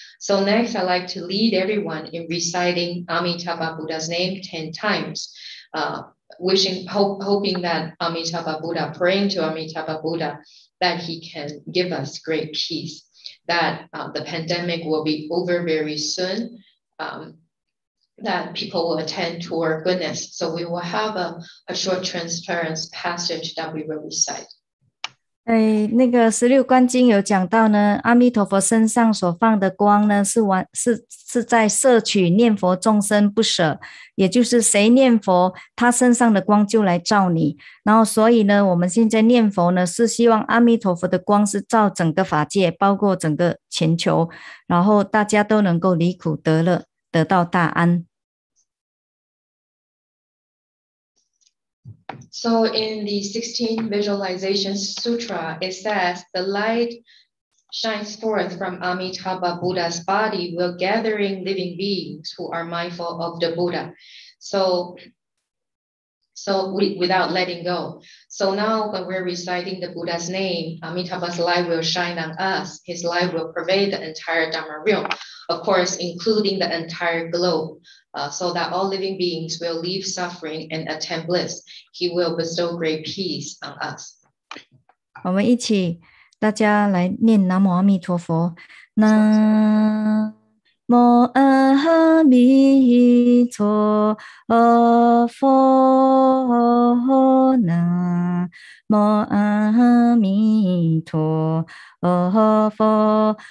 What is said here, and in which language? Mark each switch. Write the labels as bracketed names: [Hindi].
[English] So next, I'd like to lead everyone in reciting Amitabha Buddha's name 10 times, hoping that Amitabha Buddha, praying to Amitabha Buddha, that he can give us great peace, that the pandemic will be over very soon, that people will attend to our goodness. So we will have a short transference passage that we will recite. [Chinese] 哎，那个十六观经有讲到呢，阿弥陀佛身上所放的光呢，是在摄取念佛众生不舍，也就是谁念佛，他身上的光就来照你。然后，所以呢，我们现在念佛呢，是希望阿弥陀佛的光是照整个法界，包括整个全球，然后大家都能够离苦得乐，得到大安。 [English] So in the 16 Visualization Sutra, it says the light shines forth from Amitabha Buddha's body while gathering living beings who are mindful of the Buddha. So without letting go. So now when we're reciting the Buddha's name, Amitabha's light will shine on us. His light will pervade the entire Dharma realm, of course, including the entire globe. So that all living beings will leave suffering and attain bliss. He will bestow great peace on us. [Chinese] 我们一起，大家来念南无阿弥陀佛。南无阿弥陀佛。南无阿弥陀佛。